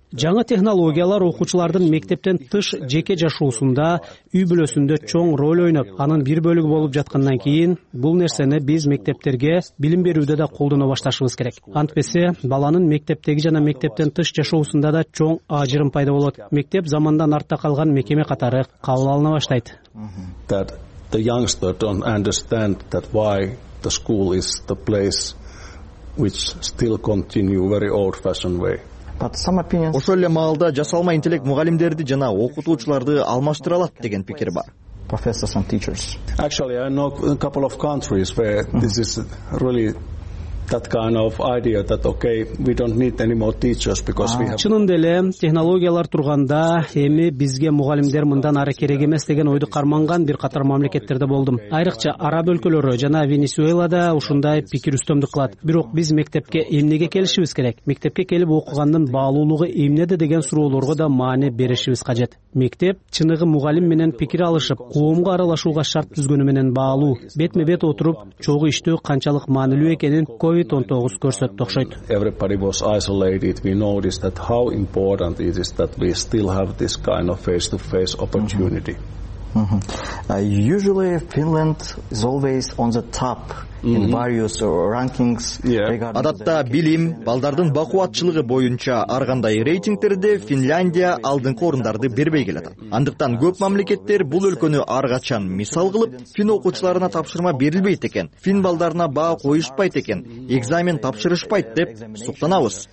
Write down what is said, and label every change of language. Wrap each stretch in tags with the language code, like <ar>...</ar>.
<ky>Жаңы технологиялар окуучулардын мектептен тыш жеке жашоосунда, үй бүлөсүндө чоң роль ойноп, анын бир бөлүгү болуп жаткандан кийин, бул нерсени биз мектептерге билим берүүдө да колдоно башташыбыз керек. Антпесе, баланын мектептеги жана мектептен тыш жашоосунда да чоң ажырым пайда болот. Мектеп замандан артта калган мекеме катары кабыл алына баштайт.</ky> <en>That the youngster don't understand that why the school is the place which still continue very old fashioned way.</en> <ky>Ошол эле маалда жасалма интеллект мугалимдерди жана окутуучуларды алмаштыра алат деген пикир бар.</ky> <en>Professors and teachers. Actually, I know a couple of countries where this is really that kind of idea that okay, we don't need any more teachers because we have.</en> <ky>Чынында эле технологиялар турганда эми бизге мугалимдер мындан ары керек эмес деген ойду карманган бир катар мамлекеттерде болдум. Айрыкча араб өлкөлөрү жана Венесуэлада ушундай пикир үстөмдүк кылат. Бирок биз мектепке эмнеге келишибиз керек? Мектепке келип окугандын баалуулугу эмнеде деген суроолорго да маани беришибиз кажет. Мектеп чыныгы мугалим менен пикир алышып, коомго аралашууга шарт түзгөнү менен баалуу. Бетме-бет отуруп, чогуу иштөө канчалык маанилүү экенин COVID-19 көрсөттү окшойт.</ky> <en>Everybody was isolated. We noticed that how important it is that we still have this kind of face-to-face opportunity. Usually Finland is always on the top in various rankings.</en> <ky>Адатта билим, балдардын бакуатчылыгы боюнча ар кандай рейтингтерде Финляндия алдыңкы орундарды бербей келет. Андыктан көп мамлекеттер бул өлкөнү ар качан мисал кылып, фин окуучуларына тапшырма берилбейт экен, фин балдарына баа коюшпайт экен, экзамен тапшырышпайт деп суктанабыз.</ky>